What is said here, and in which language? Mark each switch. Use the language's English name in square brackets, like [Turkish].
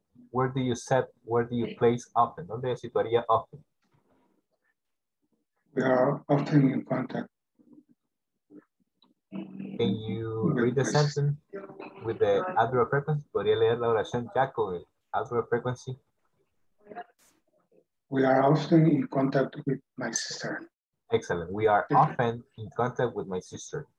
[English] Where do you set, where do you place often? [Spanish] ¿Dónde situaría often? [English] We are often in contact. Can you read the sentence with the adverb of frequency? [Spanish] ¿Podría leer la oración, Jaco, el adverb of frequency? [English] We are often in contact with my sister. Excellent. We are often in contact with my sister.